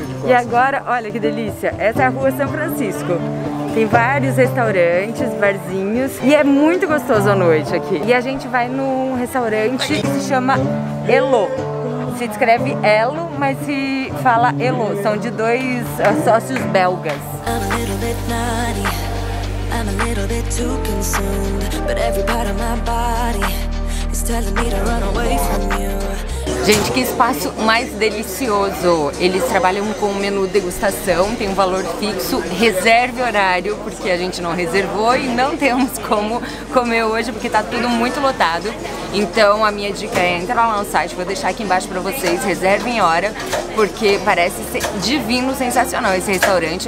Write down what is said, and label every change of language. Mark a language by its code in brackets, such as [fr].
[pt] E agora, olha que delícia, essa é a rua São Francisco. Tem vários restaurantes, barzinhos. E é muito gostoso à noite aqui. E a gente vai num restaurante que se chama Elo. Se escreve Elo, mas se fala Elo. São de dois sócios belgas. [en] I'm a little bit naughty, I'm a little bit too consumed, but every part of my body is telling me to run away from you. [pt] Gente, que espaço mais delicioso. Eles trabalham com menu degustação, tem um valor fixo, reserve horário, porque a gente não reservou e não temos como comer hoje, porque tá tudo muito lotado. Então a minha dica é entrar lá no site, vou deixar aqui embaixo pra vocês, reservem hora, porque parece ser divino, sensacional esse restaurante.